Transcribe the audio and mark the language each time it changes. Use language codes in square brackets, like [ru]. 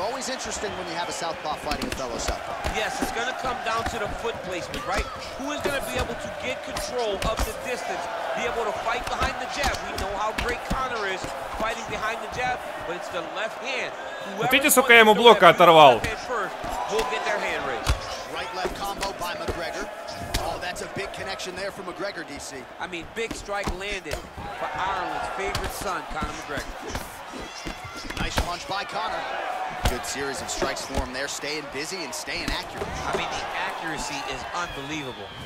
[en] Always interesting when you have a southpaw fighting a fellow southpaw. Yes, it's going to come down to the foot placement, right? Who is going to be able to get control of the distance, be able to fight behind the jab? We know how great Conor is fighting behind the jab, but it's the left hand. [ru] Вот видите, сколько я ему блока оторвал. [en] We'll get their hand raised. Right-left combo by McGregor. That's a big connection there for McGregor, DC. I mean, big strike landed for Ireland's favorite son, Conor McGregor. Nice punch by Conor. Good series of strikes for him there, staying busy and staying accurate. I mean, the accuracy is unbelievable.